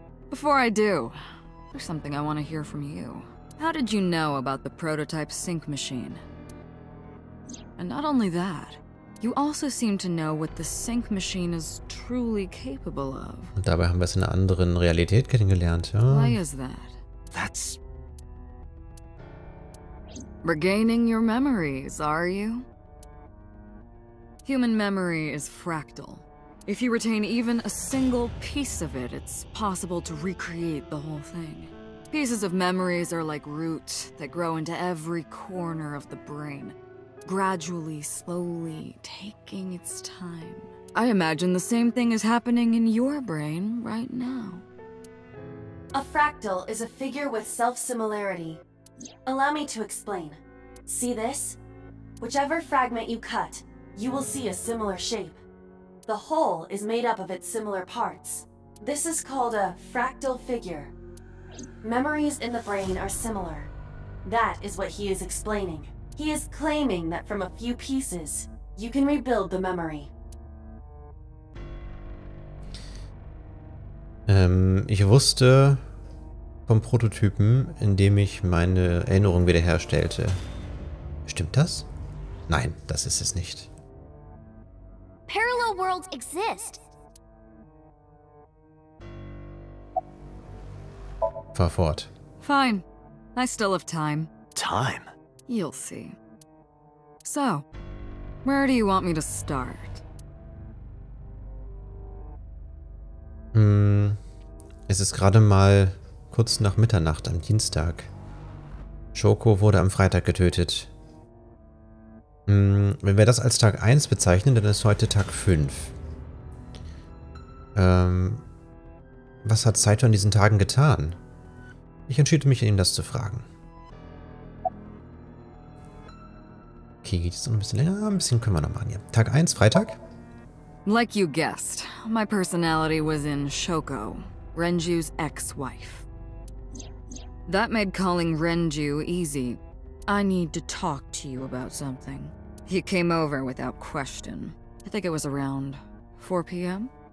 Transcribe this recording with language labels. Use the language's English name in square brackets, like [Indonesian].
[English] Before I do, there's something I want to hear from you. How did you know about the prototype sync machine? And not only that, you also seem to know what the sync machine is truly capable of. [German] Und dabei haben wir es in einer anderen Realität kennengelernt. Ja. [English] Why is that? That's... Regaining your memories, are you? Human memory is fractal. If you retain even a single piece of it, it's possible to recreate the whole thing. Pieces of memories are like roots that grow into every corner of the brain. Gradually, slowly, taking its time. I imagine the same thing is happening in your brain right now. A fractal is a figure with self-similarity. Allow me to explain. See this? Whichever fragment you cut, you will see a similar shape. The whole is made up of its similar parts. This is called a fractal figure. Memories in the brain are similar. That is what he is explaining. He is claiming that from a few pieces, you can rebuild the memory. [German] Ich wusste vom Prototypen, indem ich meine Erinnerung wiederherstellte. Stimmt das? Nein, das ist es nicht. [English] Parallel worlds exist. [German] Fahr fort. [English] Fine. I still have time. Time? You'll see. So, where do you want me to start? [German] Es ist gerade mal kurz nach Mitternacht am Dienstag. Shoko wurde am Freitag getötet. Wenn wir das als Tag 1 bezeichnen, dann ist heute Tag 5. Was hat Saito in diesen Tagen getan? Ich entschied mich, ihn das zu fragen. Okay, geht es noch ein bisschen länger? Ein bisschen können wir noch machen hier. Tag 1, Freitag? [English] Like you guessed, my personality was in Shoko, Renju's ex-wife. That made calling Renju easy. I need to talk to you about something. He came over without question. I think it was around 4 p.m.